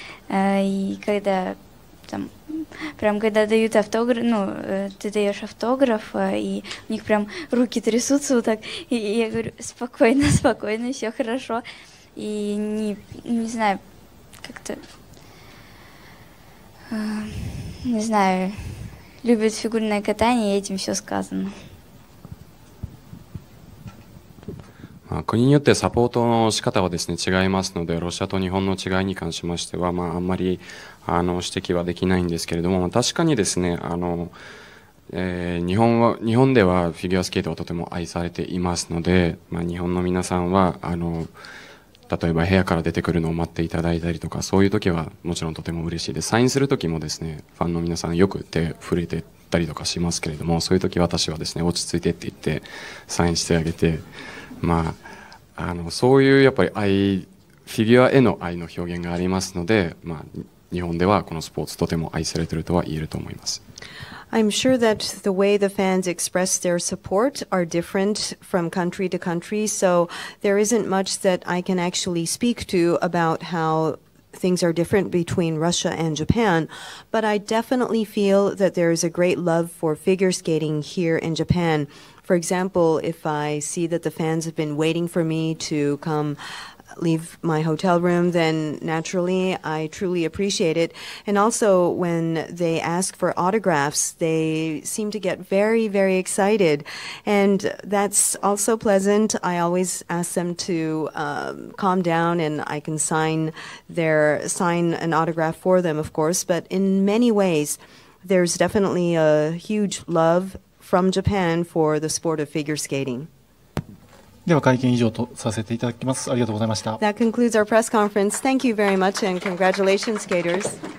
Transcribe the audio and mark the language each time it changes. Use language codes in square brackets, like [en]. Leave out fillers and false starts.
[ru] И когда там, прям когда дают автограф, ну, ты даешь автограф, и у них прям руки трясутся вот так, и я говорю, спокойно, спокойно, все хорошо. И не знаю, как-то, не знаю, любят фигурное катание, и этим все сказано. [ja] 国によってサポートの仕方はですね違いますので、ロシアと日本の違いに関しましてはまああんまりあの指摘はできないんですけれども、確かにですねあの日本ではフィギュアスケートはとても愛されていますので、まあ日本の皆さんはあの例えば部屋から出てくるのを待っていただいたりとか、そういう時はもちろんとても嬉しいです。サインする時もですねファンの皆さんよく手触れてたりとかしますけれども、そういう時私はですね落ち着いてって言ってサインしてあげて、まあ、あのそういうやっぱり愛、フィギュアへの愛の表現がありますので、まあ、日本ではこのスポーツとても愛されているとは言えると思います。 [en] I'm sure that the way the fans express their support are different from country to country, so there isn't much that I can actually speak to about how things are different between Russia and Japan, but I definitely feel that there is a great love for figure skating here in Japan. For example, if I see that the fans have been waiting for me to come leave my hotel room, then naturally I truly appreciate it. And also when they ask for autographs, they seem to get very, very excited. And that's also pleasant. I always ask them to calm down and I can sign an autograph for them, of course. But in many ways, there's definitely a huge love from Japan for the sport of figure skating. [ja] では会見以上とさせていただきます。ありがとうございました。 [en] That concludes our press conference. Thank you very much and congratulations, skaters.